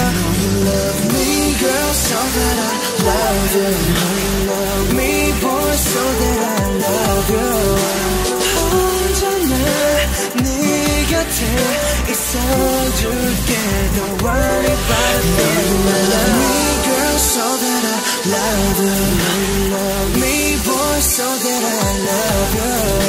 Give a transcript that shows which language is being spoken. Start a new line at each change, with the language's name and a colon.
English: I know you love me, girl, so that I love you. I know you love me, boy, so that I love you.
Korean: 혼자 날 네 곁에 있어줄게.
English: Don't worry about me. I know you love me, girl, so that I love you. I know you love me, boy, so that I love you.